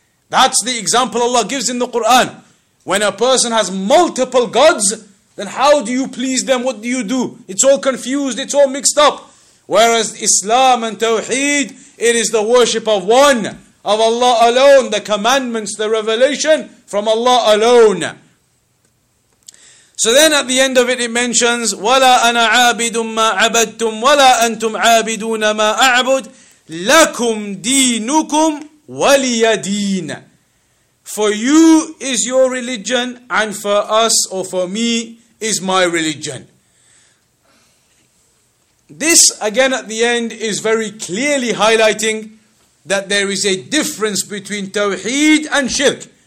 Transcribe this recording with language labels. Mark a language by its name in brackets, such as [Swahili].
[English] That's the example Allah gives in the Quran. When a person has multiple gods, then how do you please them? What do? It's all confused, it's all mixed up. Whereas Islam and Tawheed, it is the worship of one, of Allah alone, the commandments, the revelation from Allah alone. So then at the end of it mentions, [Arabic] وَلَا أَنَا عَابِدٌ مَا عَبَدْتُمْ وَلَا أَنْتُمْ عَابِدُونَ مَا أَعْبُدْ لَكُمْ دِينُكُمْ وَلِيَ دِينَ. [English] For you is your religion, and for us or for me is my religion. This again at the end is very clearly highlighting that there is a difference between Tawheed and Shirk.